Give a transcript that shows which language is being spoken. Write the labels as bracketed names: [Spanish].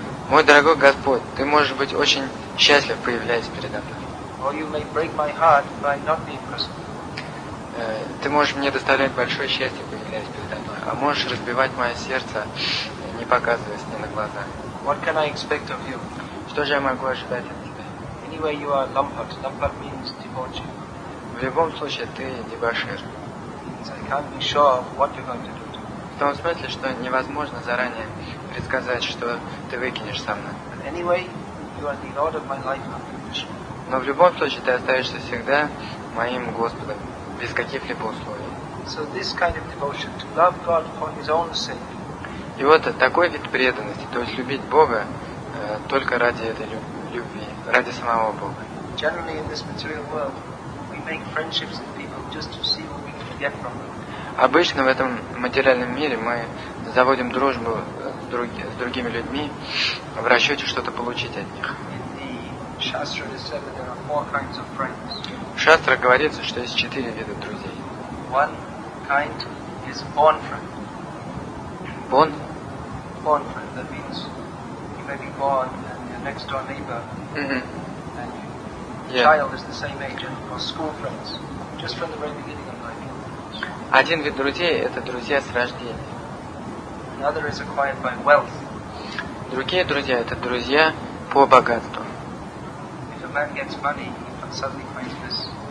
[Russian] Мой дорогой Господь, ты можешь быть очень счастлив, появляясь передо мной. [English] Or you may break my heart by not being present. [Russian] Ты можешь мне доставлять большое счастье, появляясь передо мной, а можешь разбивать мое сердце, не показываясь мне на глаза. [English] What can I expect of you? [Russian] Что же я могу ожидать от тебя? [English] Anyway, you are lampat. Lampat means debauchee. [Russian] В любом случае, ты дебошир. [English] I can't be sure of what you're going to do. [Russian] В том смысле, что невозможно заранее предсказать, что ты выкинешь со мной. [English] But anyway, you are the Lord of my life. [Russian] Но в любом случае, ты остаешься всегда моим Господом. Без каких-либо условий. [English] So this kind of devotion, to love God for His own sake. [Russian] И вот такой вид преданности, то есть любить Бога только ради этой любви, ради самого Бога. [English] Generally in this material world, we make friendships with people just to see what we can get from them. [Russian] Обычно в этом материальном мире мы заводим дружбу с другими людьми в расчете что-то получить от них. В шастрах говорится, что есть четыре вида друзей. [English] One kind is born friend. Born? Born friend, that means you may be born and your next door neighbor and your child is the same age or school friends. Just from the very beginning of life. [Russian] Один вид друзей – это друзья с рождения. [English] Another is acquired by wealth. [Russian] Другие друзья – это друзья по богатству. [English] If a man gets money, he suddenly finds this.